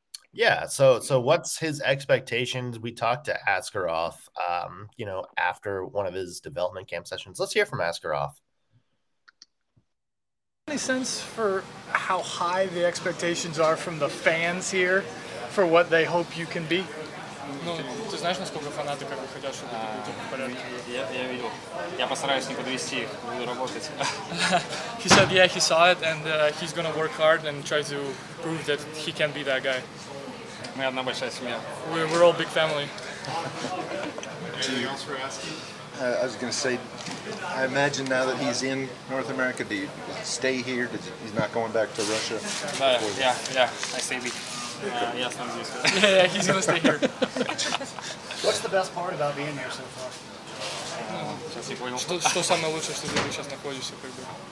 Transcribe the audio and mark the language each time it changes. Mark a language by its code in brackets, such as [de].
[en] Yeah, so what's his expectations? We talked to Askarov, you know, after one of his development camp sessions. Let's hear from Askarov. Any sense for how high the expectations are from the fans here for what they hope you can be? [ru] Ну, ты знаешь, насколько фанаты как бы хотят, чтобы ты был в порядке? Я видел. Я постараюсь не подвести их, буду работать. [en] He said, yeah, he saw it, and he's gonna work hard and try to prove that he can be that guy. [ru] Мы одна большая семья. [en] We're all big family. Anything else for asking? I was gonna say, I imagine now that he's in North America, do you stay here? He's not going back to Russia? Yeah, I stay here. Yeah, he's gonna stay here. What's the best part about being here so far? [ru] Что самое лучшее, что ты сейчас находишься, как бы?